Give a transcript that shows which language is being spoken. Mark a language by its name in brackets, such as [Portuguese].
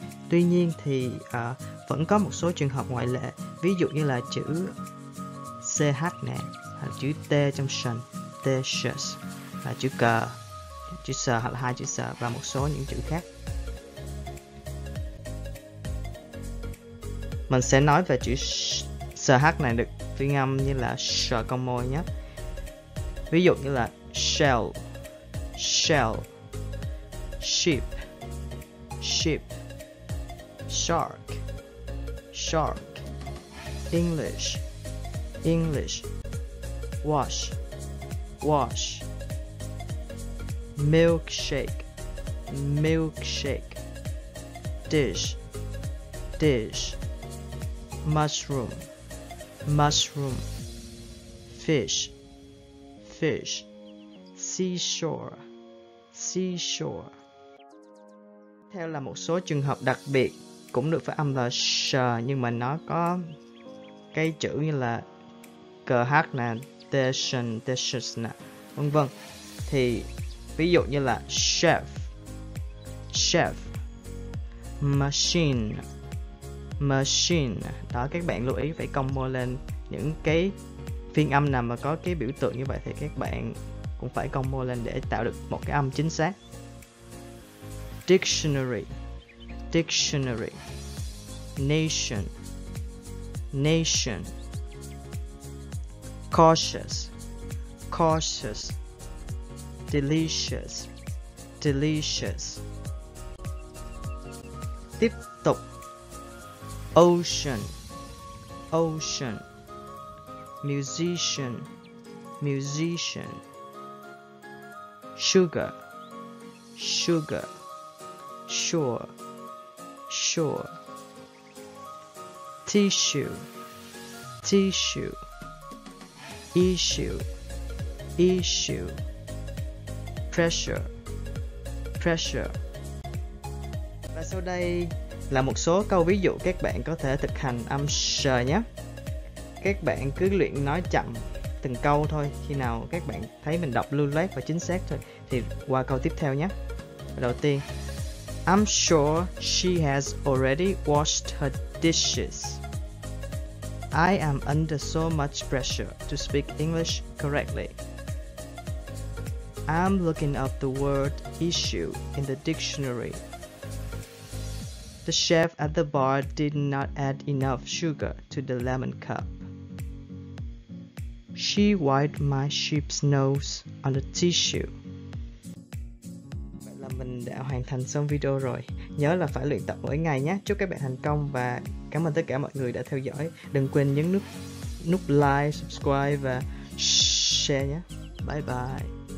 [Vietnamese] Tuy nhiên thì vẫn có một số trường hợp ngoại lệ, ví dụ như là chữ ch nè, hoặc chữ T trong sần, T, sh, là chữ C, chữ S hoặc là hai chữ S và một số những chữ khác. Mình sẽ nói về chữ sh này được phiên âm như là sh cong môi nhé. Ví dụ như là [English] shell, shell, sheep, sheep, shark, shark, English, English, wash, wash, milkshake, milkshake, dish, dish, mushroom, mushroom, fish, fish, seashore, seashore. [Vietnamese] Theo là một số trường hợp đặc biệt cũng được phát âm là sh nhưng mà nó có cái chữ như là kh nè, [English] tension, dishes [Vietnamese] nè, vân vân. Thì ví dụ như là [English] chef, chef, machine, machine. [Vietnamese] Đó, các bạn lưu ý phải combo lên những cái phiên âm nào mà có cái biểu tượng như vậy thì các bạn cũng phải combo lên để tạo được một cái âm chính xác. [English] Dictionary, dictionary, nation, nation, cautious, cautious, delicious, delicious. [Vietnamese] Tiếp tục, [English] ocean, ocean, musician, musician, sugar, sugar, sure, sure, tissue, tissue, issue, issue, pressure, pressure. [Vietnamese] Và sau đây là một số câu ví dụ các bạn có thể thực hành âm sh nhé. Các bạn cứ luyện nói chậm từng câu thôi, khi nào các bạn thấy mình đọc lưu loát và chính xác thôi thì qua câu tiếp theo nhé. Đầu tiên, [English] I'm sure she has already washed her dishes. I am under so much pressure to speak English correctly. I'm looking up the word issue in the dictionary. The chef at the bar did not add enough sugar to the lemon cup. She wiped my sheep's nose on a tissue. [Vietnamese] Vậy là mình đã hoàn thành xong video rồi. Nhớ là phải luyện tập mỗi ngày nhé. Chúc các bạn thành công và cảm ơn tất cả mọi người đã theo dõi. Đừng quên nhấn nút like, subscribe và share nhé. Bye bye.